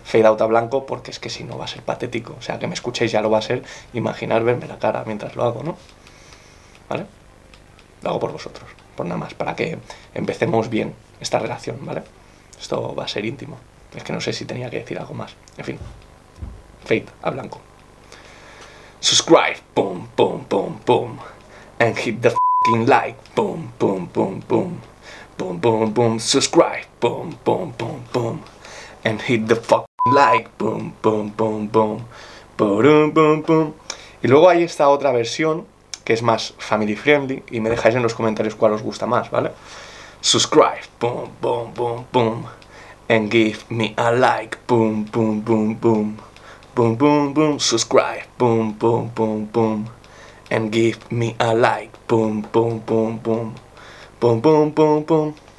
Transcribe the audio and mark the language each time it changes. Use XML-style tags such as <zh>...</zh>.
<es>Fade out a blanco porque es que si no va a ser patético, o sea, que me escuchéis ya lo va a ser imaginar verme la cara mientras lo hago, ¿no? ¿Vale? Lo hago por vosotros, por nada más, para que empecemos bien esta relación, ¿vale? Esto va a ser íntimo, es que no sé si tenía que decir algo más, en fin, fade a blanco.</es> <en>Subscribe, pum, pum, pum, pum, and hit the like, boom, boom, boom, boom, boom, boom, boom, subscribe, boom, boom, boom, boom, and hit the fucking like, boom, boom, boom, boom, boom, boom, boom.</en> <es>Y luego hay esta otra versión que es más family friendly y me dejáis en los comentarios cuál os gusta más, ¿vale?</es> <en>Subscribe, boom, boom, boom, boom, and give me a like, boom, boom, boom, boom, boom, boom, boom, subscribe, boom, boom, boom, boom, and give me a like, boom, boom, boom, boom, boom, boom, boom, boom.</en>